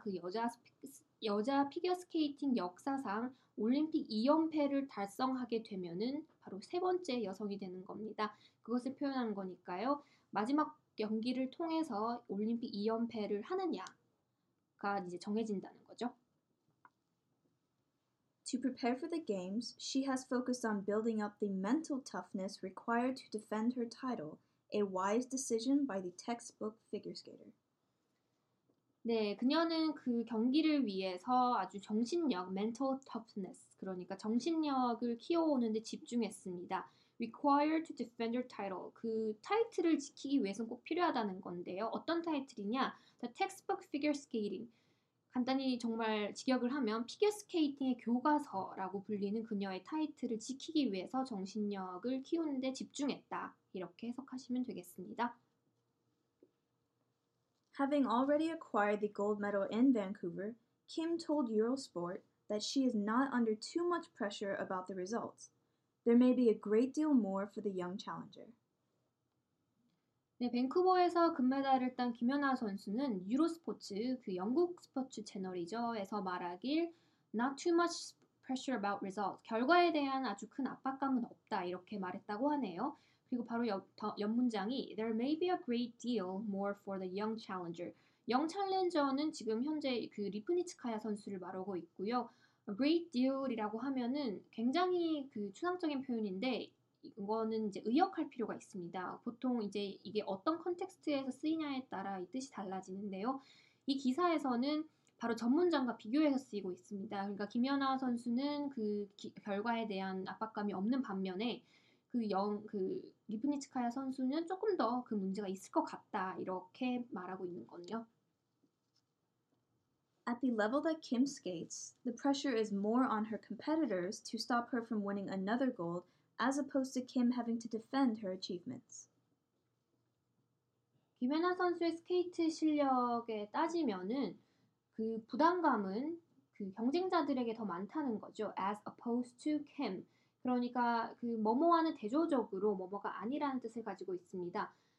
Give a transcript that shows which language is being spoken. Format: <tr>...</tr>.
<ko>그 여자 피겨스케이팅 역사상 올림픽 2연패를 달성하게 되면은 바로 세 번째 여성이 되는 겁니다. 그것을 표현한 거니까요. 마지막 경기를 통해서 올림픽 2연패를 하느냐가 이제 정해진다는 거죠.</ko> <en>To prepare for the games, she has focused on building up the mental toughness required to defend her title. A wise decision by the textbook figure skater.</en> <ko>네, 그녀는 그 경기를 위해서 아주 정신력, mental toughness, 그러니까 정신력을 키워오는데 집중했습니다.</ko> <en>Required to defend your title.</en> <ko>그 타이틀을 지키기 위해서는 꼭 필요하다는 건데요. 어떤 타이틀이냐?</ko> <en>The textbook figure skating.</en> <ko>간단히 정말 직역을 하면 피겨 스케이팅의 교과서라고 불리는 그녀의 타이틀을 지키기 위해서 정신력을 키우는데 집중했다. 이렇게 해석하시면 되겠습니다.</ko> <en>Having already acquired the gold medal in Vancouver, Kim told Eurosport that she is not under too much pressure about the results. There may be a great deal more for the young challenger.</en> <ko>네, 밴쿠버에서 금메달을 딴 김연아 선수는 유로스포츠, 그 영국 스포츠 채널이죠. 에서 말하길</ko> <en>not too much pressure about results.</en> <ko>결과에 대한 아주 큰 압박감은 없다. 이렇게 말했다고 하네요. 그리고 바로 옆 문장이</ko> <en>There may be a great deal more for the young challenger.</en> <ko>Young challenger는 지금 현재 그 리프니츠카야 선수를 말하고 있고요. A great deal이라고 하면은 굉장히 그 추상적인 표현인데 이거는 이제 의역할 필요가 있습니다. 보통 이제 이게 어떤 컨텍스트에서 쓰이냐에 따라 이 뜻이 달라지는데요. 이 기사에서는 바로 전문장과 비교해서 쓰이고 있습니다. 그러니까 김연아 선수는 그 결과에 대한 압박감이 없는 반면에 그 리프니츠카야 선수는 조금 더 그 문제가 있을 것 같다 이렇게 말하고 있는 거군요.</ko> <en>At the level that Kim skates, the pressure is more on her competitors to stop her from winning another gold as opposed to Kim having to defend her achievements.</en> <ko>김연아 선수의 스케이트 실력에 따지면은 그 부담감은 그 경쟁자들에게 더 많다는 거죠.</ko> <en>As opposed to Kim.</en> <ko>그러니까 그 뭐뭐와는 대조적으로 뭐뭐가 아니라는 뜻을 가지고 있습니다.</ko>